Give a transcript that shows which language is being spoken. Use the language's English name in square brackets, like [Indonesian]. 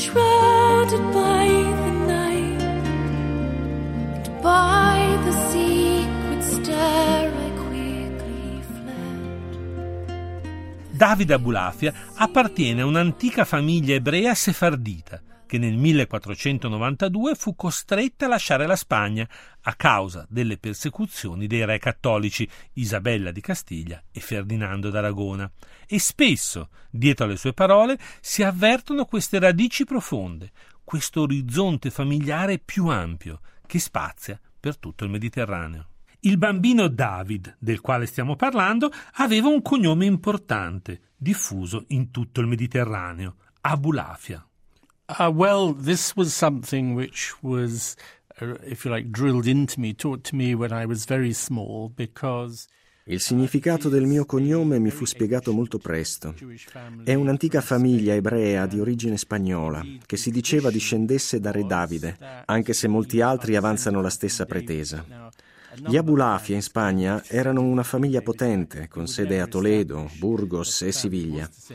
[English] Shrouded by the night and by the secret stare, I quickly fled. [Italian] David Abulafia appartiene a un'antica famiglia ebrea sefardita che nel 1492 fu costretta a lasciare la Spagna a causa delle persecuzioni dei re cattolici Isabella di Castiglia e Ferdinando d'Aragona. E spesso, dietro alle sue parole, si avvertono queste radici profonde, questo orizzonte familiare più ampio che spazia per tutto il Mediterraneo. Il bambino David, del quale stiamo parlando, aveva un cognome importante, diffuso in tutto il Mediterraneo, Abulafia. [English] Well, this was something which was, if you like, drilled into me, taught to me when I was very small, because. [Italian] Il significato del mio cognome mi fu spiegato molto presto. È un'antica famiglia ebrea di origine spagnola, che si diceva discendesse da Re Davide, anche se molti altri avanzano la stessa pretesa. Gli Abulafia in Spagna erano una famiglia potente, con sede a Toledo, Burgos e Siviglia.